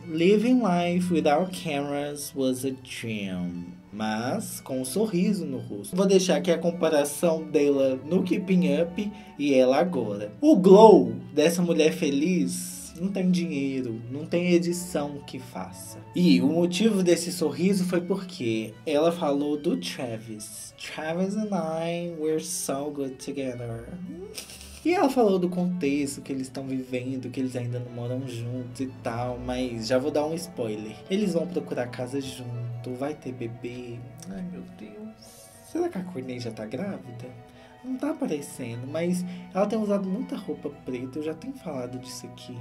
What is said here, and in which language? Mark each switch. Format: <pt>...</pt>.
<en>Living life without cameras was a dream.</en> <pt>Mas com um sorriso no rosto. Vou deixar aqui a comparação dela no Keeping Up e ela agora. O glow dessa mulher feliz... Não tem dinheiro, não tem edição que faça. E o motivo desse sorriso foi porque ela falou do Travis.</pt> <en>Travis and I, we're so good together.</en> <pt>E ela falou do contexto que eles estão vivendo, que eles ainda não moram juntos e tal. Mas já vou dar um spoiler. Eles vão procurar casa junto, vai ter bebê. Ai, meu Deus. Será que a Courtney já tá grávida? Não tá aparecendo, mas ela tem usado muita roupa preta, eu já tenho falado disso aqui.</pt>